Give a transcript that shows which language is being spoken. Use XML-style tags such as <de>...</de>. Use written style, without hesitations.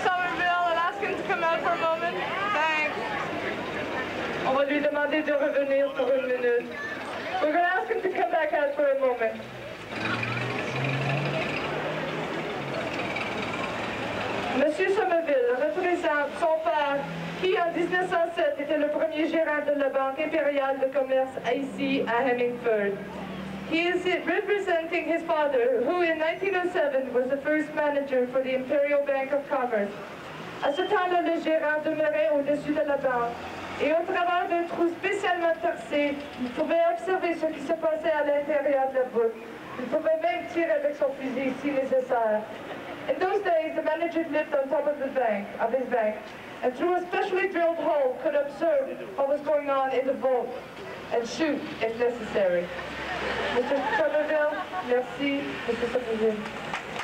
<en>Somerville and ask him to come out for a moment? Thanks.</en> <fr>On va lui demander de revenir pour une minute.</fr> <en>We're going to ask him to come back out for a moment.</en> <fr>Monsieur Somerville représente son père, qui en 1907 était le premier gérant de la Banque impériale de commerce ici à Hemingford.</fr> <en>He is representing his father, who in 1907 was the first manager for the Imperial Bank of Commerce.</en> <fr>À ce temps-là, le gérant demeurait au-dessus de la banque et au travers d'un trou spécialement percé, il pouvait observer ce qui se passait à l'intérieur de la banque. Il pouvait même tirer avec son fusil si nécessaire.</fr> <en>In those days, the manager lived on top of the bank, of his bank, and through a specially drilled hole could observe what was going on in the vault and shoot if necessary. Mr. Somerville, merci, Mr. Somerville.</en>